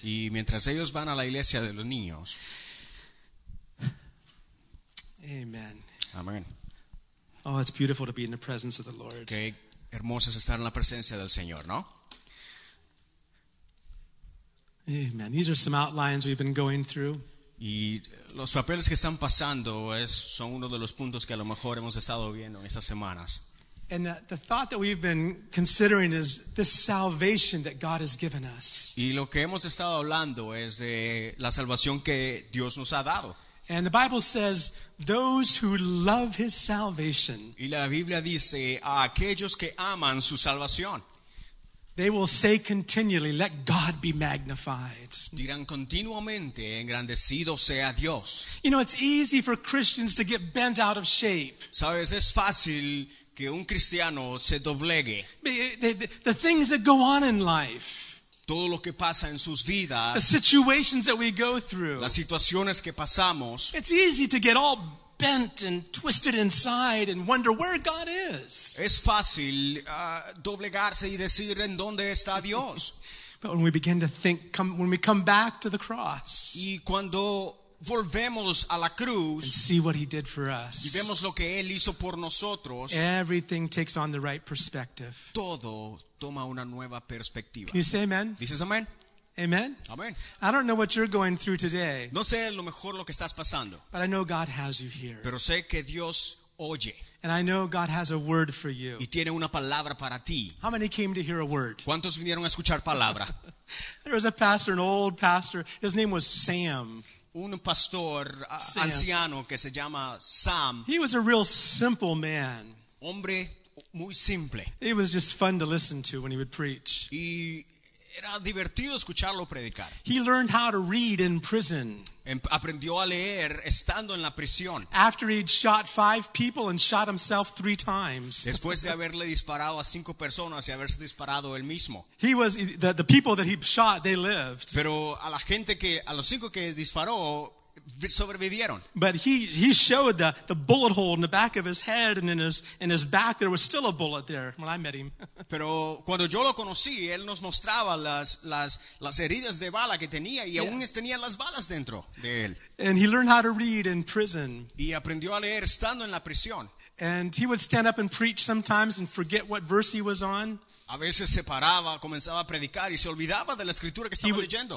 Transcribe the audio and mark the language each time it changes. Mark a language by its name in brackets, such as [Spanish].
[Spanish] Y mientras ellos van a la iglesia de los niños. [English] Amen. Amen. Oh, it's beautiful to be in the presence of the Lord. [Spanish] Qué hermoso es estar en la presencia del Señor, ¿no? [English] Amen. These are some outlines we've been going through. [Spanish] Y los papeles que están pasando son uno de los puntos que a lo mejor hemos estado viendo en estas semanas. [English] And the thought that we've been considering is this salvation that God has given us. [Spanish] Y lo que hemos estado hablando es de la salvación que Dios nos ha dado. [English] And the Bible says those who love his salvation. [Spanish] Y la Biblia dice a aquellos que aman su salvación. [English] They will say continually, "Let God be magnified." [Spanish] Dirán continuamente, "Engrandecido sea Dios." [English] You know, it's easy for Christians to get bent out of shape. [Spanish] Sabes, es fácil que un cristiano se doblegue. [English] The things that go on in life. [Spanish] Todo lo que pasa en sus vidas. [English] The situations that we go through. [Spanish] Las situaciones que pasamos. [English] It's easy to get all bent and twisted inside and wonder where God is. [Spanish] Es fácil doblegarse y decir en dónde está Dios. [English] But when we begin to think, when we come back to the cross. [Spanish] Y cuando volvemos a la cruz, [English] and see what he did for us. [Spanish] Y vemos lo que él hizo por nosotros. [English] Everything takes on the right perspective. [Spanish] Todo toma una nueva perspectiva. [English] Can you say amen? [Spanish] Dices amén. [English] Amen. [Spanish] Amen. [English] I don't know what you're going through today. [Spanish] No sé lo mejor lo que estás pasando. [English] But I know God has you here. [Spanish] Pero sé que Dios oye. [English] And I know God has a word for you. [Spanish] Y tiene una palabra para ti. [English] How many came to hear a word? [Spanish] ¿Cuántos vinieron a escuchar palabra? [English] There was a pastor, an old pastor. His name was Sam. [Spanish] Un pastor Sam. Anciano que se llama Sam. [English] He was a real simple man. [Spanish] Hombre muy simple. [English] He was just fun to listen to when he would preach. [Spanish] Y era divertido escucharlo predicar. [English] He learned how to read in prison. [Spanish] Aprendió a leer estando en la prisión. [English] After he'd shot 5 people and shot himself 3 times. [Spanish] Después de haberle disparado a 5 personas y haberse disparado él mismo. [English] He was the people that he shot, they lived. [Spanish] Pero a la gente que a los 5 que disparó sobrevivieron. [English] But he showed the bullet hole in the back of his head and in his back there was still a bullet there when I met him. [Spanish] Pero cuando yo lo conocí, él nos mostraba las heridas de bala que tenía y aún tenía las balas dentro de él. [English] And he learned how to read in prison. [Spanish] Y aprendió a leer estando en la prisión. [English] And he would stand up and preach sometimes and forget what verse he was on. [Spanish] A veces se paraba, comenzaba a predicar y se olvidaba de la escritura que estaba leyendo.